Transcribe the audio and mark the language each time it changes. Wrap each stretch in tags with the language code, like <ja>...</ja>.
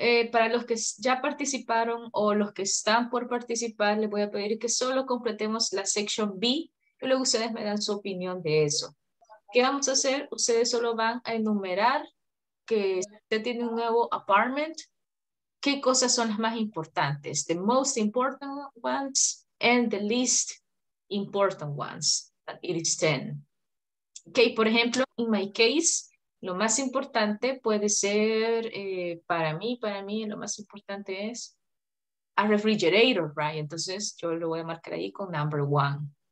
<es>Para los que ya participaron o los que están por participar, les voy a pedir que solo completemos la section B y luego ustedes me dan su opinión de eso. ¿Qué vamos a hacer? Ustedes solo van a enumerar que usted tiene un nuevo apartment. ¿Qué cosas son las más importantes?</es> <en>The most important ones and the least important ones. It is 10.</en> <es>Okay, por ejemplo,</es> <en>in my case,</en> <es>lo más importante puede ser, para mí lo más importante es</es> <en>a refrigerator, right?</en> <es>Entonces yo lo voy a marcar ahí con</es> <en>number one.</en>